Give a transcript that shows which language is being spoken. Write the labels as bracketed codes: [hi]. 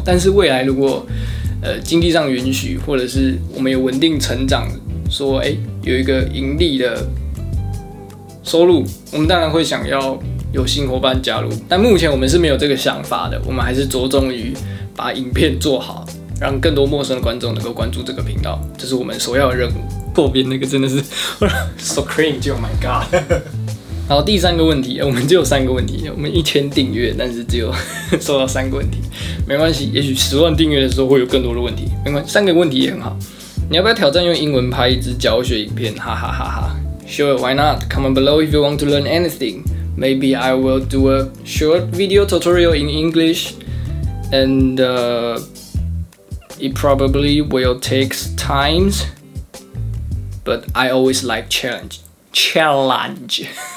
[zh] 但是未来如果经济上允许，或者是我们有稳定成长，说有一个盈利的收入，我们当然会想要有新伙伴加入，但目前我们是没有这个想法的，我们还是着重于把影片做好，让更多陌生的观众能够关注这个频道，这是我们首要的任务。后边那个真的是 [en] so cringe, oh my god。 [zh] 然后第三个问题，我们只有三个问题，我们1000订阅但是只有收到三个问题，没关系，也许10万订阅的时候会有更多的问题，没关系，三个问题也很好。你要不要挑战用英文拍一支教学影片？ [en] 哈哈哈哈。Sure, why not? Comment below if you want to learn anything. Maybe I will do a short video tutorial in English. And it probably will take time. But I always like challenge. Challenge.